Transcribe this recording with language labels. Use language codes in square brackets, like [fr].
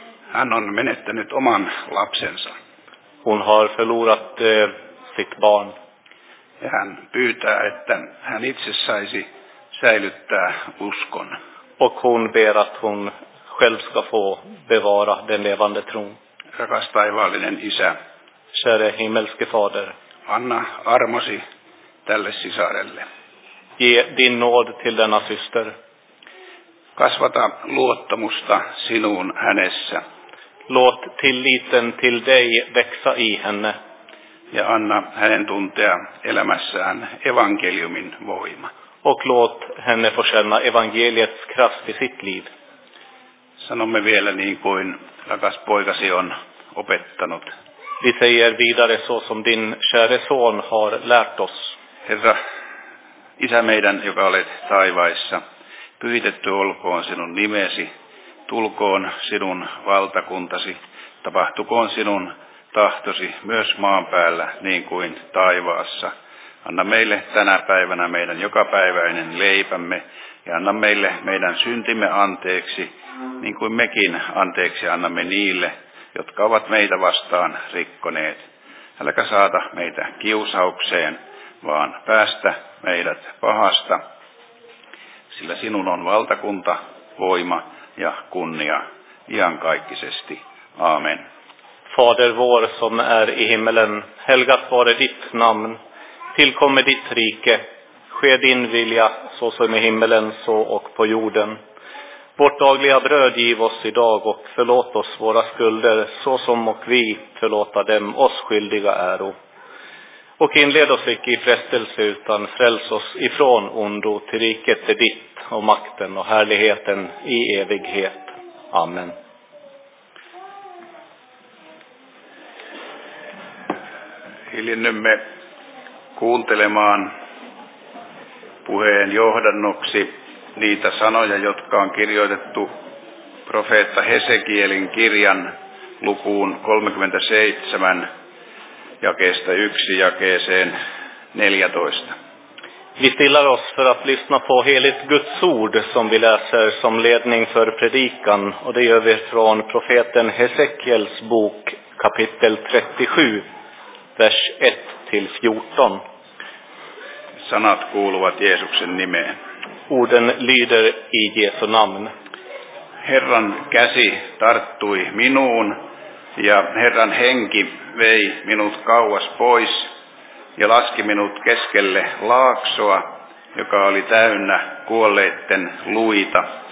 [fi] Hän on menettänyt oman lapsensa. [sv] Hon har förlorat sitt barn. [fi] Ja hän pyytää, että hän itse saisi säilyttää uskon. [sv] Och hon ber att hon själv ska få bevara den levande tron. [fi] Rakas taivaallinen isä. [sv] Käre himmelske fader. [fi] Anna armosi tälle sisarelle. [sv] Ge din nåd till denna syster. [fi] Kasvata luottamusta sinuun hänessä. [sv] Låt tilliten till dig växa i henne. [fi] Ja anna hänen tuntea elämässään evankeliumin voima. [sv] Och låt henne få känna evangeliets kraft i sitt liv. [fi] Sanomme vielä niin kuin rakas poikasi on opettanut. [sv] Vi säger vidare så som din käre son har lärt oss. [fi] Herra, isä meidän, joka olet taivaissa, pyhitetty olkoon sinun nimesi. Tulkoon sinun valtakuntasi, tapahtukoon sinun tahtosi myös maan päällä niin kuin taivaassa. Anna meille tänä päivänä meidän jokapäiväinen leipämme ja anna meille meidän syntimme anteeksi, niin kuin mekin anteeksi annamme niille, jotka ovat meitä vastaan rikkoneet. Äläkä saata meitä kiusaukseen, vaan päästä meidät pahasta, sillä sinun on valtakunta, voima ja kunnia iankaikkisesti. Amen. [sv] Fader vår som är i himmelen, helgat vare ditt namn. Tillkomme ditt rike, ske din vilja så som i himmelen så och på jorden. Vårt dagliga bröd giv oss idag och förlåt oss våra skulder så som och vi förlåta dem oss skyldiga äro. Och inled oss icke i frestelse utan fräls oss ifrån ondo till riket är ditt. Och makten och härligheten i evighet. Amen. [fi] hiljennymme kuuntelemaan puheen johdannoksi niitä sanoja, jotka on kirjoitettu profeetta Hesekielin kirjan lukuun 37 jakeesta 1 jakeeseen 14. [sv] Vi stillar oss för att lyssna på heligt Guds ord som vi läser som ledning för predikan, och det gör vi från profeten Hesekiels bok kapitel 37, vers 1-14. [fi] Sanat kuuluvat Jeesuksen nimeen. [sv] Orden lyder i Jesu namn. [fi] Herran käsi tarttui minuun ja Herran henki vei minut kauas pois ja laski minut keskelle laaksoa, joka oli täynnä kuolleitten luita.